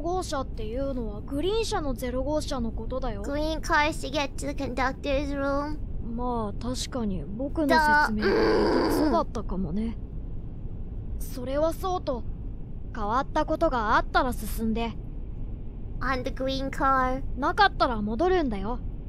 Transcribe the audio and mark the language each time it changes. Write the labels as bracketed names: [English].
[Japanese] 05車っていうのはグリーン車の05車のことだよ! [English] Green cars to get to the conductor's room? [Japanese] まあ、確かに僕の説明はそうだったかもね。それはそうと、変わったことがあったら進んで。 [English] On the green car? [Japanese] なかったら戻るんだよ。